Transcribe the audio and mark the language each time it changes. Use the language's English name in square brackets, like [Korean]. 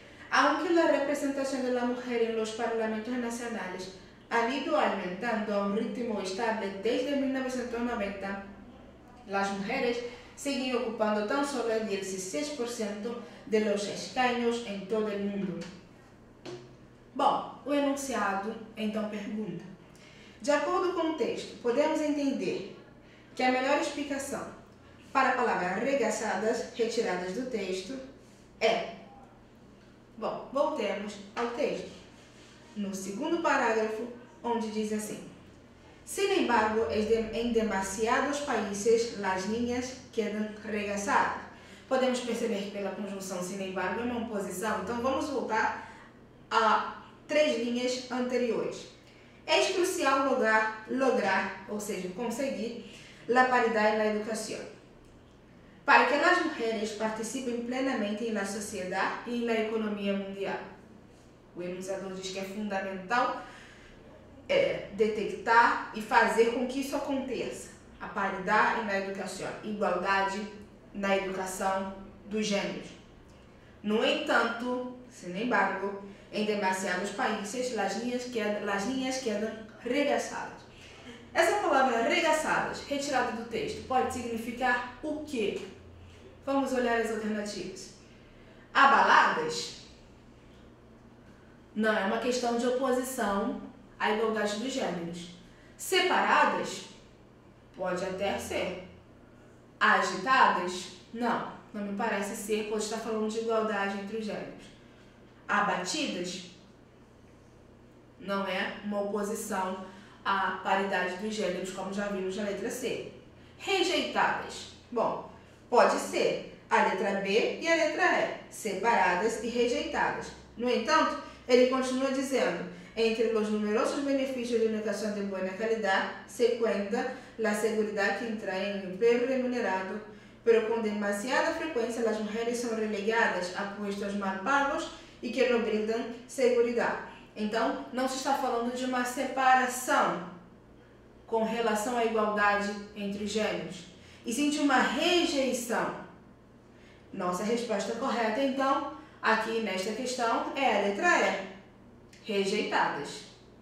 [Spanish] Aunque la representación de la mujer en los parlamentos nacionales ha ido aumentando a un ritmo estable desde 1990, las mujeres siguen ocupando tan solo el 16% de los escaños en todo el mundo. [Portuguese] Bom, o enunciado então pergunta: De acordo com o texto, podemos entender que a melhor explicação para a palavra arregaçadas, retiradas do texto, é. Bom, voltemos ao texto. No segundo parágrafo, onde diz assim: [Spanish] Sin embargo, em demasiados países, las niñas quedan regazadas. [Portuguese] Podemos perceber que pela conjunção sin embargo é uma oposição. Então, vamos voltar a três linhas anteriores. [Spanish] É crucial lograr, [Portuguese] ou seja, conseguir, [Spanish] la paridad en la educación. Para que las mujeres participen plenamente en la sociedad y en la economía mundial. [Portuguese] O enunciador diz que é fundamental detectar e fazer com que isso aconteça. A paridade na educação, igualdade na educação dos gêneros. No entanto, [Spanish] sin embargo, em demasiados países, las niñas quedan regazadas. [Portuguese] Essa palavra regazadas, retirada do texto, pode significar o quê? Vamos olhar as alternativas. Abaladas? Não, é uma questão de oposição à igualdade dos gêneros. Separadas? Pode até ser. Agitadas? Não, não me parece ser, pois está falando de igualdade entre os gêneros. Abatidas? Não é uma oposição à paridade dos gêneros, como já vimos na letra C. Rejeitadas? Bom, pode ser a letra B e a letra E, separadas e rejeitadas. No entanto, ele continua dizendo: entre os numerosos benefícios de educação de boa qualidade, [Spanish] se cuenta la seguridad que entra en un empleo remunerado, pero con demasiada frecuencia las mujeres son relegadas a puestos mal pagos y que no brindan seguridad. [Portuguese] Então, não se está falando de uma separação com relação à igualdade entre gêneros, e sim de uma rejeição. Nossa resposta correta, então, aqui nesta questão é a letra E. Rejeitadas.